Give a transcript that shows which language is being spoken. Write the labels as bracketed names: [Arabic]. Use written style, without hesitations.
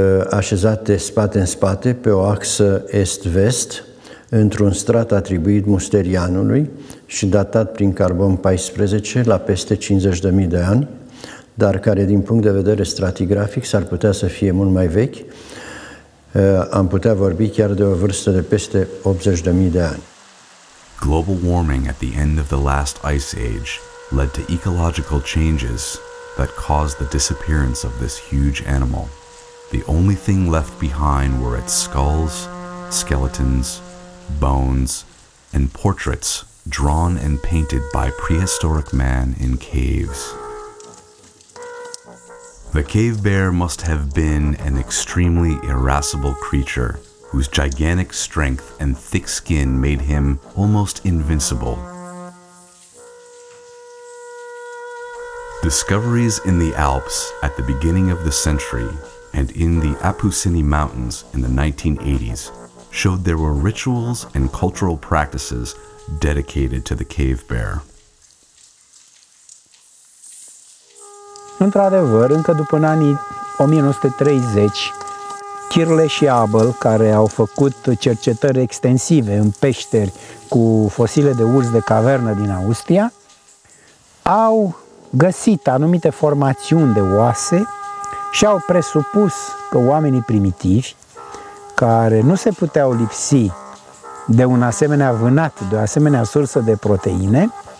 [Romanian] așezate spate în spate pe o axă est-vest într-un strat atribuit Musterianului și datat prin carbon 14 la peste 50.000 de ani, dar care din punct de vedere stratigrafic s-ar putea să fie mult mai vechi, am putea vorbi chiar de o vârstă de peste 80.000 de ani. [English] Global warming at the end of the last ice age led to ecological changes that caused the disappearance of this huge animal. The only thing left behind were its skulls, skeletons, bones, and portraits drawn and painted by prehistoric man in caves. The cave bear must have been an extremely irascible creature whose gigantic strength and thick skin made him almost invincible. Discoveries in the Alps at the beginning of the century and in the Apuseni Mountains in the 1980s showed there were rituals and cultural practices dedicated to the cave bear. [Romanian] Într-adevăr, încă după anii 1930, Kirle și Abel, care au făcut cercetări extensive în peșteri cu fosile de urs de cavernă din Austria, au găsit anumite formațiuni de oase și au presupus că oamenii primitivi, care nu se puteau lipsi de un asemenea vânat, de o asemenea sursă de proteine,